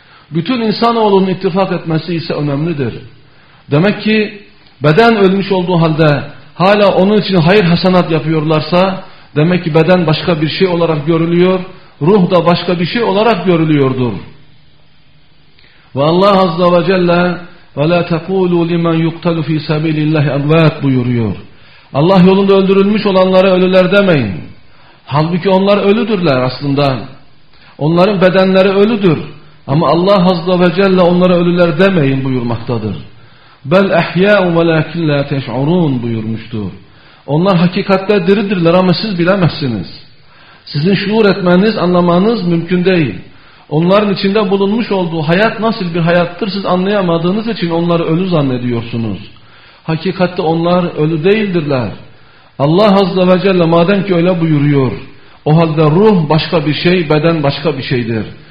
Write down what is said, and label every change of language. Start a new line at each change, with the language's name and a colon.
Turkish: Bütün insanoğlunun ittifak etmesi ise önemlidir. Demek ki beden ölmüş olduğu halde hala onun için hayır hasenat yapıyorlarsa demek ki beden başka bir şey olarak görülüyor, ruh da başka bir şey olarak görülüyordur. Ve Allah Azze ve Celle
Arabic: وَلَا تَقُولُوا لِمَنْ يُقْتَلُ فِي سَبِيلِ اللّٰهِ اَمْوَاتٍ
Turkish: buyuruyor. Allah yolunda öldürülmüş olanlara ölüler demeyin. Halbuki onlar ölüdürler aslında. Onların bedenleri ölüdür. Ama Allah Azze ve Celle onlara ölüler demeyin buyurmaktadır.
Arabic: بَلْ اَحْيَاءُ وَلَاكِنْ لَا تَشْعُرُونَ
Turkish: buyurmuştur. Onlar hakikatte diridirler ama siz bilemezsiniz. Sizin şuur etmeniz, anlamanız mümkün değil. Onların içinde bulunmuş olduğu hayat nasıl bir hayattır siz anlayamadığınız için onları ölü zannediyorsunuz. Hakikatte onlar ölü değildirler. Allah Azze ve Celle madem ki öyle buyuruyor, o halde ruh başka bir şey, beden başka bir şeydir.